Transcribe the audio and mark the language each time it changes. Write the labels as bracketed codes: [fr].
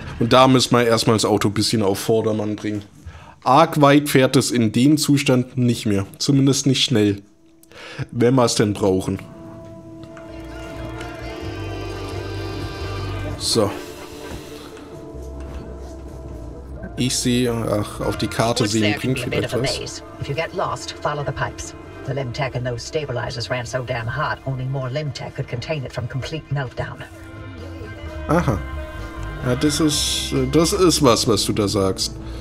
[de] Und da müssen wir erstmal das Auto ein bisschen auf Vordermann bringen. Arg weit fährt es in dem Zustand nicht mehr. Zumindest nicht schnell. Wenn wir es denn brauchen. So. Ich sehe, ach, auf die Karte sehen bringt vielleicht was. [en] If you get lost, follow the pipes. The Limtech and those stabilizers ran so damn hot, only more Limtech could contain it from complete meltdown. Aha. [de] Ja, das ist was, was du da sagst.